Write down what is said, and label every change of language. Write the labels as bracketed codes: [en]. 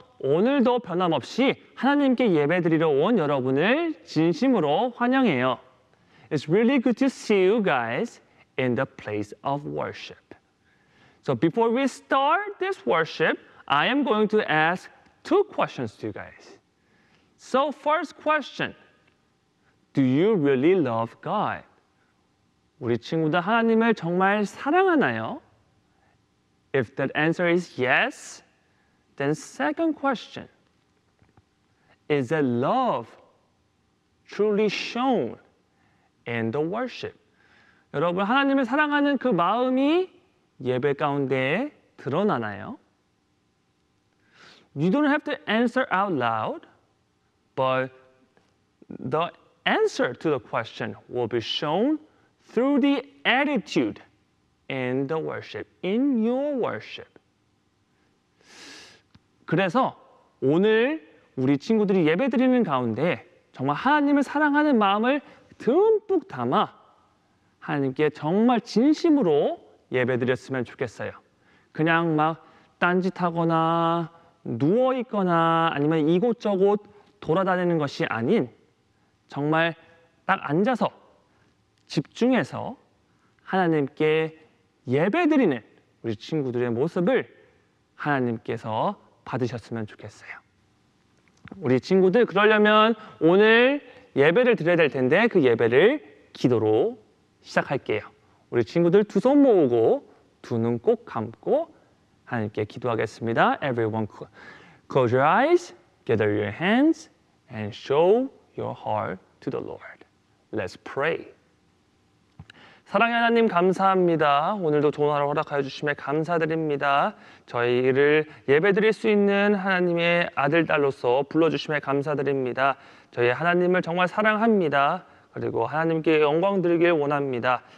[ko] 오늘도 변함없이 하나님께 예배드리러 온 여러분을 진심으로 환영해요. [en] It's really good to see you guys in the place of worship. So before we start this worship, I am going to ask two questions to you guys. So first question, do you really love God? [ko] 우리 친구들 하나님을 정말 사랑하나요? [en] If that answer is yes, then second question, is that love truly shown in the worship? [ko] 여러분, 하나님을 사랑하는 그 마음이 예배 가운데 드러나나요? [en] You don't have to answer out loud, but the answer to the question will be shown through the attitude in the worship, in your worship. [ko] 그래서 오늘 우리 친구들이 예배 드리는 가운데 정말 하나님을 사랑하는 마음을 듬뿍 담아 하나님께 정말 진심으로 예배 드렸으면 좋겠어요. 그냥 막 딴짓하거나 누워 있거나 아니면 이곳저곳 돌아다니는 것이 아닌 정말 딱 앉아서 집중해서 하나님께 예배 드리는 우리 친구들의 모습을 하나님께서 받으셨으면 좋겠어요. 우리 친구들 그러려면 오늘 예배를 드려야 될 텐데 그 예배를 기도로 시작할게요. 우리 친구들 두 손 모으고 두 눈 꼭 감고 하나님께 기도하겠습니다. [en] Everyone, close your eyes, gather your hands, and show your heart to the Lord. Let's pray. [ko] 사랑의 하나님 감사합니다. 오늘도 좋은 하루 허락하여 주심에 감사드립니다. 저희를 예배드릴 수 있는 하나님의 아들, 딸로서 불러주심에 감사드립니다. 저희 하나님을 정말 사랑합니다. 그리고 하나님께 영광 드리길 원합니다.